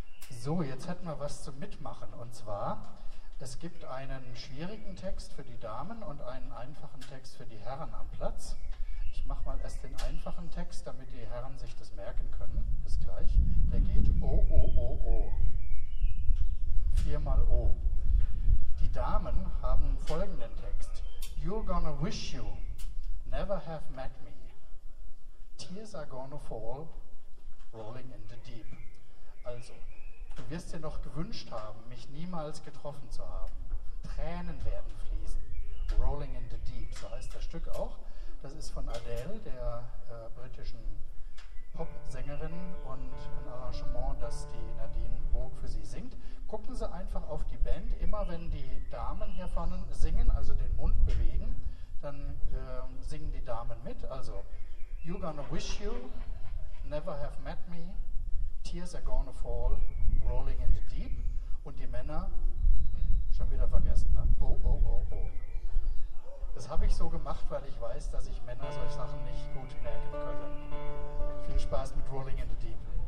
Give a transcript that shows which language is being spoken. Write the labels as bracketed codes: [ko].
[de] So, jetzt hätten wir was zum Mitmachen. Und zwar, es gibt einen schwierigen Text für die Damen und einen einfachen Text für die Herren am Platz. Ich mache mal erst den einfachen Text, damit die Herren sich das merken können. Bis gleich. Der geht O, O, O, O. Viermal O. Die Damen haben folgenden Text. [en] You're gonna wish you never have met me. Tears are gonna fall, rolling in the deep. [de] Also, du wirst dir noch gewünscht haben, mich niemals getroffen zu haben. Tränen werden fließen, rolling in the deep, so heißt das Stück auch. Das ist von Adele, der britischen Pop-Sängerin, und ein Arrangement, das die Nadine Vogue für sie singt. Gucken Sie einfach auf die Band. Immer wenn die Damen hier vorne singen, also den Mund bewegen, dann singen die Damen mit. [en] Also, you're gonna wish you never have met me. Tears are gonna fall, rolling in the deep. [de] Und die Männer, schon wieder vergessen, ne? Oh, oh, oh, oh. Das habe ich so gemacht, weil ich weiß, dass ich Männer solche Sachen nicht gut merken können. Viel Spaß mit Rolling in the Deep.